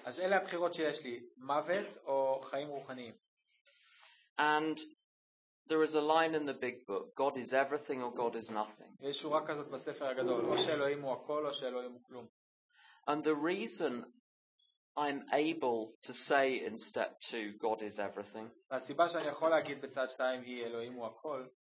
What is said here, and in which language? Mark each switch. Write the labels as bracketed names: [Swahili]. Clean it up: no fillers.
[Hebrew] אז אלה הבחירות שיש לי, מוות או חיים רוחניים. [English] And there is a line in the big book, God is everything or God is nothing. [Hebrew] יש שורה כזאת בספר הגדול, או שאלוהים הוא הכל או שאלוהים הוא כלום. [English] And the reason I'm able to say in step 2 God is everything. [Hebrew] הסיבה שאני יכול להגיד בצד 2 היא אלוהים הוא הכל.